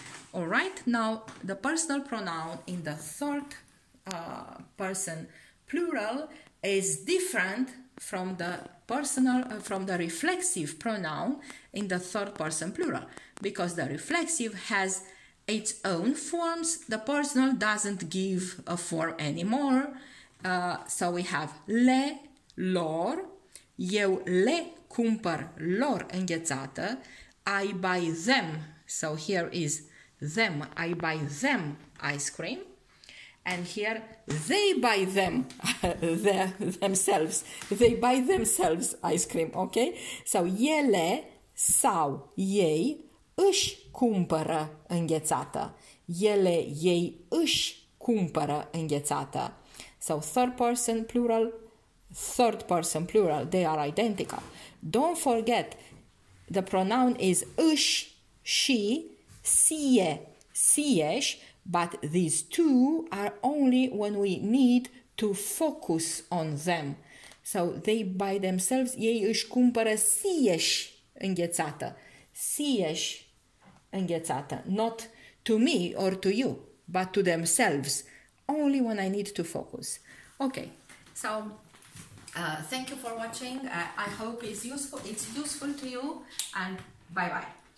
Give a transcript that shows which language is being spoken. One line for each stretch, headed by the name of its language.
English: All right, now the personal pronoun in the third person plural is different from the personal from the reflexive pronoun in the third person plural, because the reflexive has its own forms. The personal doesn't give a form anymore. So we have
Romanian: le lor, eu le cumpăr lor înghețată,
English: I buy them. So here is them, I buy them ice cream. And here they buy them themselves. They buy themselves ice cream, okay?
Romanian: So ele sau ei își cumpără înghețată. Ele ei își cumpără înghețată.
English: So third person plural, they are identical. Don't forget, the pronoun is își. She, sie, sieși, but these two are only when we need to focus on them. So they by themselves,
Romanian: ei își cumpără sieși înghețată. Sieși înghețată.
English: Not to me or to you, but to themselves. Only when I need to focus. Okay, so thank you for watching. I hope it's useful to you, and bye-bye.